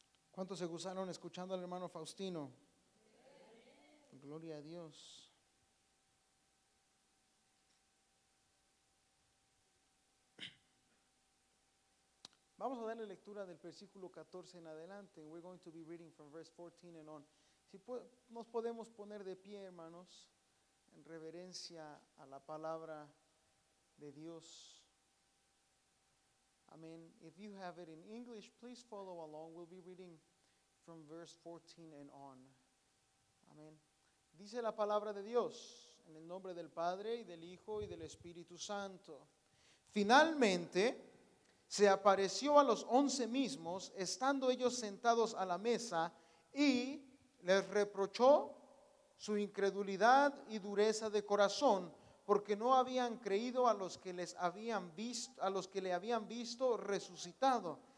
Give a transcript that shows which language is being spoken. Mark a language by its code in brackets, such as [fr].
[es] ¿Cuántos se gozaron escuchando al hermano Faustino? Gloria a Dios. Vamos a darle lectura del versículo 14 en adelante. [en] We're going to be reading from verse 14 and on. [es] Si nos podemos poner de pie, hermanos, en reverencia a la palabra de Dios. Amén. [en] If you have it in English, please follow along. We'll be reading from verse 14 and on. Amén. [es] Dice la palabra de Dios, en el nombre del Padre, y del Hijo, y del Espíritu Santo. Finalmente, se apareció a los once mismos, estando ellos sentados a la mesa, y les reprochó su incredulidad y dureza de corazón, porque no habían creído a los que le habían visto resucitado.